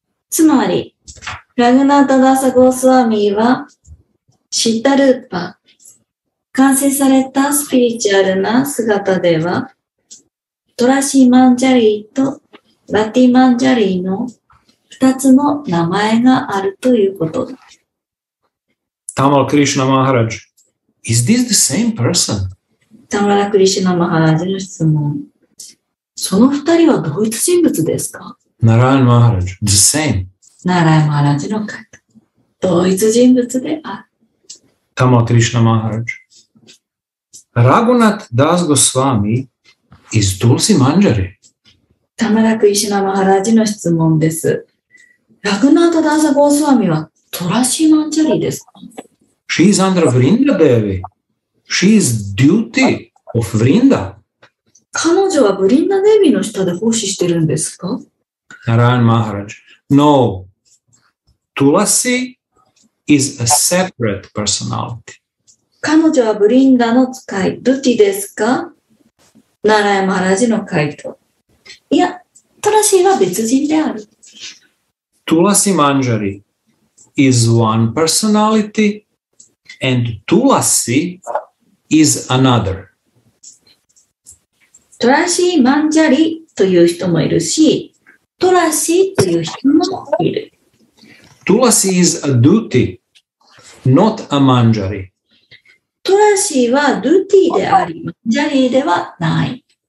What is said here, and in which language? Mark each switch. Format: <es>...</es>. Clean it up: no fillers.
<ja>つまり、ラグナタダサゴスワミは、シッタルーパ、完成されたスピリチュアルな姿では、トラシーマンジャリーとラティマンジャリーの二つの名前があるということだ。</ja> <en>Tamal Krishna Maharaj, is this the same person?</en> <ja>Tamal Krishna Maharaj の質問。その二人は同一人物ですか？</ja> <en>ナラヤン・マハラジ、the same。</en> <ja>ナラヤン・マハラジの回答。同一人物である。タマ・クリシュナ・マハラジ。</ja> <en>ラグナタ・ダス・ゴスワミ is Tulsi Manjari。</en> <ja>タマラ・クリシュナ・マハラジの質問です。ラグナタ・ダス・ゴスワミはトラシー・マンジャリですか？</ja> <en>She is under Vrinda Devi. She is duty of Vrinda.</en> <ja>彼女はブリンダデビの下で奉仕してるんですか？</ja> <en>ナラヤン・マハラジ。No. Tulasi is a separate personality.</en> <ja>彼女はブリンダの使い、ドゥティですか？ナラヤン・マハラジの回答。いや、トラシーは別人である。</ja> <en>Tulasi Manjari is one personality and Tulasi is another.</en> <ja>トラシーマンジャリという人もいるし、トラシーという人もいる。</ja> <en>トラシー is a duty, not a manjari.</en> <ja>トラシーはドゥティであり、マンジャリではない。</ja>